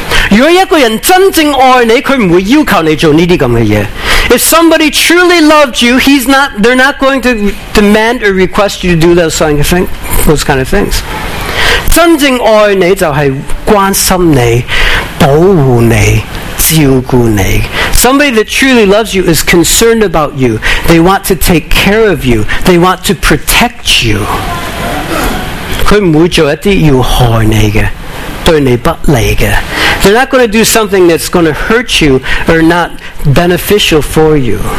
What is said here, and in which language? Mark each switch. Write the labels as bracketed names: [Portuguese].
[Chinese] 如果一个人真正爱你，他不会要求你做这些事。 [English] If somebody truly loved you, they're not going to demand or request you to do those kind of things. [Chinese] 真正爱你就是关心你，保护你，照顾你。 [English] Somebody that truly loves you is concerned about you. They want to take care of you. They want to protect you. [Chinese] 他不会做一些要害你的，对你不利的。 [English] They're not going to do something that's going to hurt you or not beneficial for you.